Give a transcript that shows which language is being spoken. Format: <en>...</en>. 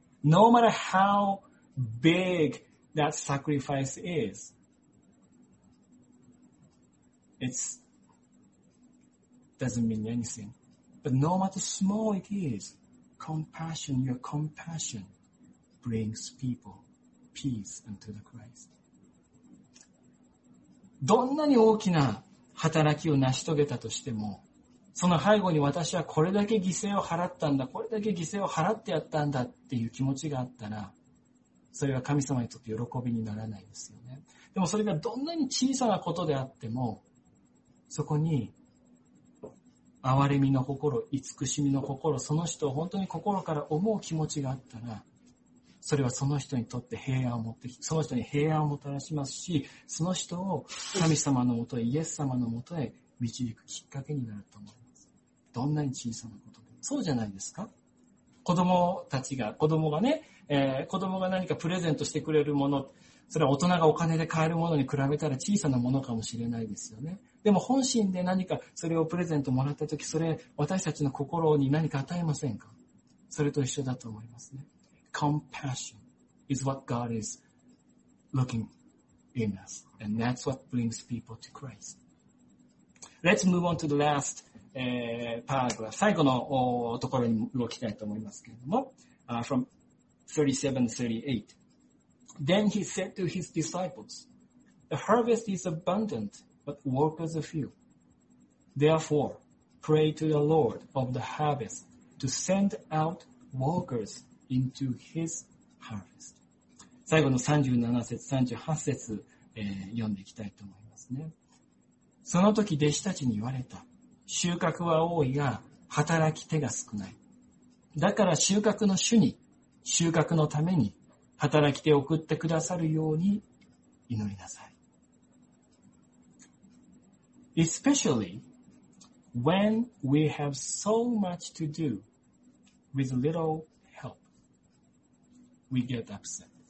<en>No matter how big that sacrifice is, it doesn't mean anything. But no matter small it is, compassion, your compassion brings people peace unto the Christ.</en> <ja>どんなに大きな働きを成し遂げたとしても、その背後に私はこれだけ犠牲を払ったんだ、これだけ犠牲を払ってやったんだっていう気持ちがあったら、それは神様にとって喜びにならないですよね。でもそれがどんなに小さなことであっても、そこに憐れみの心、慈しみの心、その人を本当に心から思う気持ちがあったら、それはその人にとって平安を持って、その人に平安をもたらしますし、その人を神様のもとへ、イエス様のもとへ導くきっかけになると思います。どんなに小さなことでも。そうじゃないですか？子供たちが、子供がね、子供が何かプレゼントしてくれるもの、それは大人がお金で買えるものに比べたら小さなものかもしれないですよね。でも本心で何かそれをプレゼントもらったとき、それ私たちの心に何か与えませんか？それと一緒だと思いますね。</ja> <en>Compassion is what God is looking in us, and that's what brings people to Christ. Let's move on to the last paragraph.</en> <ja>最後のところに動きたいと思いますけれども、</ja> <en>from 37-38. Then he said to his disciples, "The harvest is abundant, but workers are few. Therefore, pray to the Lord of the harvest to send out workers. Into his harvest.</en> <ja>最後の37節、38節、読んでいきたいと思いますね。その時弟子たちに言われた。収穫は多いが働き手が少ない。だから収穫の主に、収穫のために働き手を送ってくださるように祈りなさい。</ja> <en>Especially when we have so much to do with littleWe get upset.</en>